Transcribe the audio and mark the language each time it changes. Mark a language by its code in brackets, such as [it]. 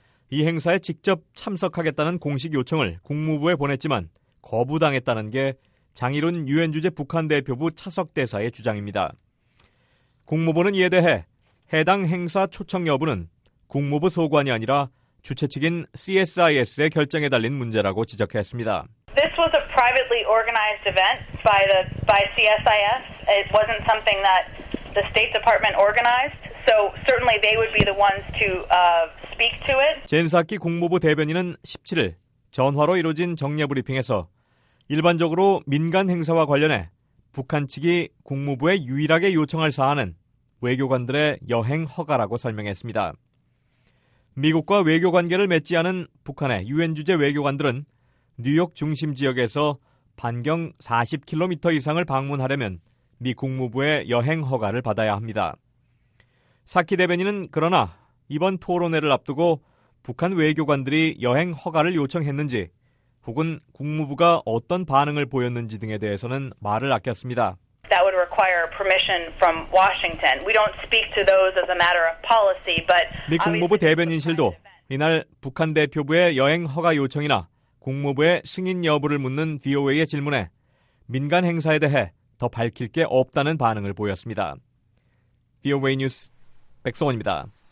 [ko] 이 행사에 직접 참석하겠다는 공식 요청을 국무부에 보냈지만 거부당했다는 게 장일훈 유엔주재 북한대표부 차석대사의 주장입니다. 국무부는 이에 대해 해당 행사 초청 여부는 국무부 소관이 아니라 주최 측인 CSIS의 결정에 달린 문제라고 지적했습니다. [en] This was a privately organized event by CSIS. It wasn't something that the State Department organized. So certainly they would be the ones to speak to it. [ko] 젠 사키 국무부 대변인은 17일 전화로 이루어진 정례 브리핑에서 일반적으로 민간 행사와 관련해 북한 측이 국무부에 유일하게 요청할 사안은 외교관들의 여행 허가라고 설명했습니다. 미국과 외교관계를 맺지 않은 북한의 유엔 주재 외교관들은 뉴욕 중심 지역에서 반경 40km 이상을 방문하려면 미 국무부의 여행 허가를 받아야 합니다. 사키 대변인은 그러나 이번 토론회를 앞두고 북한 외교관들이 여행 허가를 요청했는지 혹은 국무부가 어떤 반응을 보였는지 등에 대해서는 말을 아꼈습니다. [en] That would require permission from Washington. We don't speak to those as a matter of policy, but [ko] 미 국무부 대변인실도 이날 북한 대표부의 여행 허가 요청이나 국무부의 승인 여부를 묻는 VOA의 질문에 민간 행사에 대해 더 밝힐 게 없다는 반응을 보였습니다. VOA 뉴스 백성원입니다.